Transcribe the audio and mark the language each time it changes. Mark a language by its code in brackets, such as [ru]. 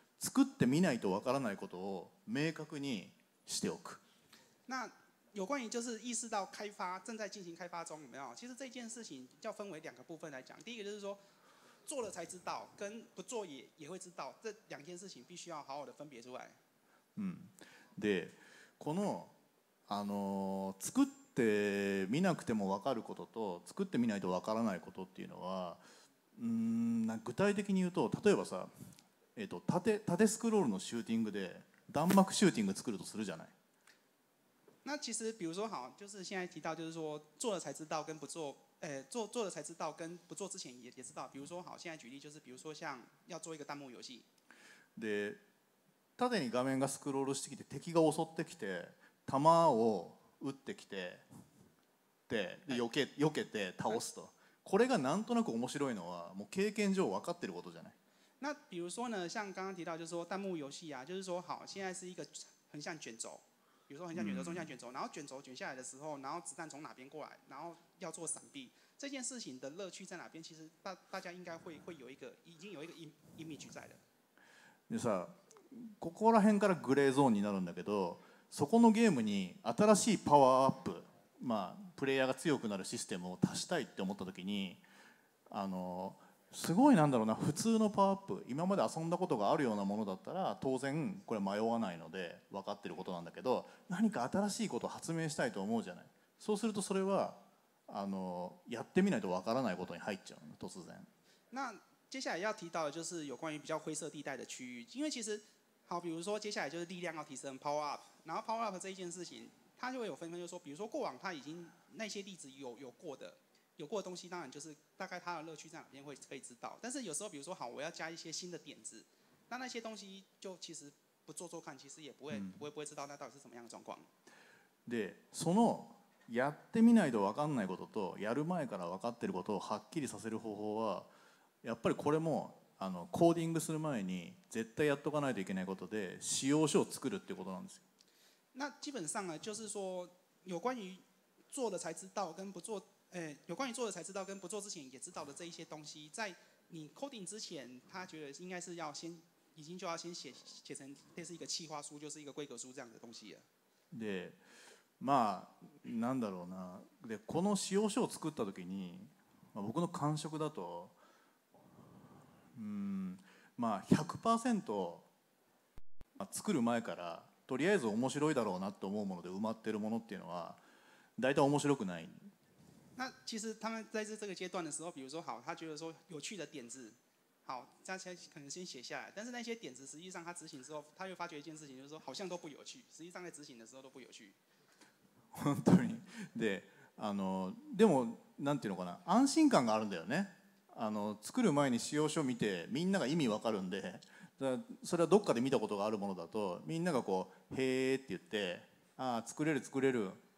[ja] 作ってみないとわからないことを明確にしておく。 [zh] 那有关于就是意识到开发正在进行开发中有没有？其实这件事情要分为两个部分来讲。第一个就是说做了才知道，跟不做也会知道，这两件事情必须要好好的分别出来。 [ja] で、この作ってみなくてもわかることと作ってみないとわからないことっていうのは、具体的に言うと例えばさ。縦スクロールのシューティングで弾幕シューティング作るとするじゃない。 [zh] 那其实比如说好，就是现在提到，就是说做了才知道跟不做，做了才知道跟不做之前也知道。比如说好，现在举例就是比如说像要做一个弹幕游戏。 [ja] で、縦に画面がスクロールしてきて敵が襲ってきて弾を撃ってきて、で避けて倒すと、これがなんとなく面白いのはもう経験上分かってることじゃない。 [zh] 那比如说呢，像刚刚提到，就是说弹幕游戏啊，就是说好，现在是一个横向卷轴，比如说横向卷轴、纵向卷轴，然后卷轴卷下来的时候，然后子弹从哪边过来，然后要做闪避，这件事情的乐趣在哪边？其实大家应该会有一个已经有一个 image 在的。 [ja] でさ、ここら辺からグレーゾーンになるんだけど、そこのゲームに新しいパワーアップ、まあプレイヤーが強くなるシステムを足したいって思ったときに、すごいなんだろうな、普通のパワーアップ、今まで遊んだことがあるようなものだったら当然これ迷わないので分かってることなんだけど、何か新しいことを発明したいと思うじゃない。そうするとそれはやってみないと分からないことに入っちゃうの、突然。 [zh] 那接下来要提到的就是有关于比较灰色地带的区域，因为其实好，比如说接下来就是力量要提升 power up， 然后 power up 这一件事情，它就会有分就说，比如说过往它已经那些例子有过的东西，当然就是大概它的乐趣在哪边会可以知道。但是有时候，比如说好，我要加一些新的点子，那些东西就其实不做做看，其实也不会知道那到底是什么样的状况。 [ja] で、そのやってみないと分かんないこととやる前から分かってることをはっきりさせる方法は、やっぱりこれもコーディングする前に絶対やっとかないといけないことで、使用書を作るってことなんですよ。 [zh] 那基本上呢，就是说有关于做了才知道跟不做。有关于做的才知道跟不做之前也知道的这一些东西，在你 coding 之前，他觉得应该是要先，已经就要先写成类似一个企划书，就是一个规格书这样的东西了。 [ja] で、まあなんだろうな。で、この使用書を作った時に、まあ、僕の感触だと、まあ 100% 作る前からとりあえず面白いだろうなと思うもので埋まってるものっていうのは、大体面白くない。 [zh] 那其实他们在这个阶段的时候，比如说好，他觉得说有趣的点子，好，他可能先写下来。但是那些点子实际上他执行之后，他又发觉一件事情，就是说好像都不有趣。实际上在执行的时候都不有趣。 [ja] 本当に。で、でもなんていうのかな、安心感があるんだよね。作る前に使用書を見てみんなが意味わかるんで、それはどっかで見たことがあるものだと、みんながこうへーって言って、あ、作れる作れる。